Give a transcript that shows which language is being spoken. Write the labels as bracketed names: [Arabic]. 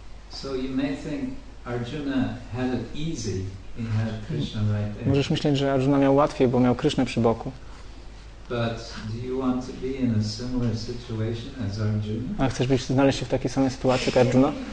[English] So you may think Arjuna had it easy. He had Krishna right there. [Polish] Możesz myśleć, że Arjuna miał łatwiej, bo miał Krishnę przy boku. [English] But do you want to be in a similar situation as Arjuna? [Polish] A chcesz być znaleźć się w takiej samej sytuacji jak Arjuna?